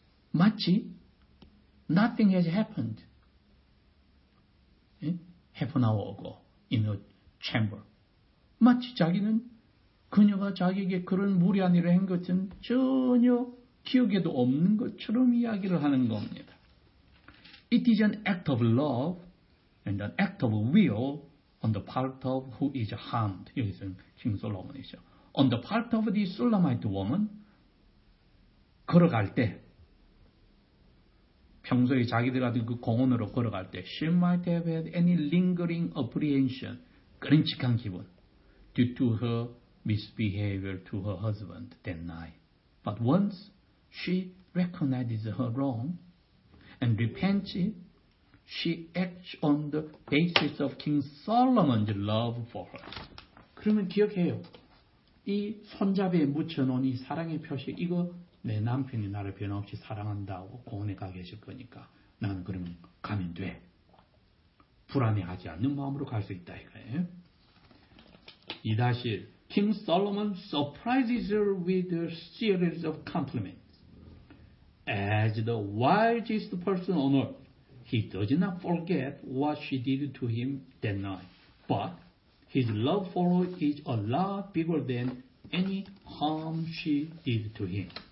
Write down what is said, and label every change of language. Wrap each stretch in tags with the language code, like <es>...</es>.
<ko>마치</ko> <en>nothing has happened. 네? Half an hour ago in a chamber.</en> <ko>마치 자기는 그녀가 자기에게 그런 무리한 일을 한 것은 전혀 기억에도 없는 것처럼 이야기를 하는 겁니다.</ko> <en>It is an act of love and an act of will on the part of who is harmed.</en> <ko>여기서는 킹 솔로몬이죠.</ko> <en>On the part of the Sulamite woman,</en> <ko>걸어갈 때, 평소에 자기들한테 그 공원으로 걸어갈 때,</ko> <en>she might have had any lingering apprehension,</en> <ko>끔찍한 기분.</ko> <en>Due to her misbehavior to her husband that night. But once she recognizes her wrong and repents, she acts on the basis of King Solomon's love for her.</en> <ko>그러면 기억해요. 이 손잡이에 묻혀놓은 이 사랑의 표시, 이거 내 남편이 나를 변함없이 사랑한다고 고원에 가 계실 거니까 나는 그러면 가면 돼. 불안해하지 않는 마음으로 갈 수 있다 이거예요. 2-1.</ko> <en>King Solomon surprises her with a series of compliments. As the wisest person on earth, he does not forget what she did to him that night. But his love for her is a lot bigger than any harm she did to him.</en>